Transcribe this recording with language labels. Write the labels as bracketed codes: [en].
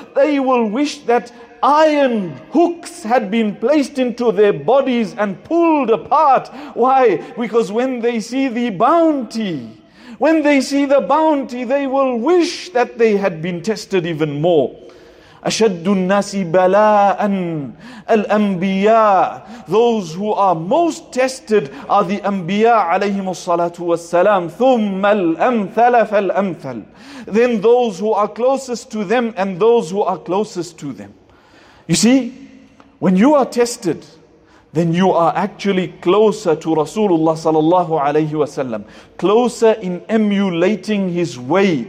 [en] They will wish that iron hooks had been placed into their bodies and pulled apart. Why? Because when they see the bounty, when they see the bounty, they will wish that they had been tested even more. [ar] أشد الناس بلاء الأنبياء. [en] Those who are most tested are the [ar] أنبياء عليهم الصلاة والسلام. ثم الأمثل فالأمثل. [en] Then those who are closest to them and those who are closest to them. You see, when you are tested, then you are actually closer to Rasulullah sallallahu alayhi wa sallam, closer in emulating his way.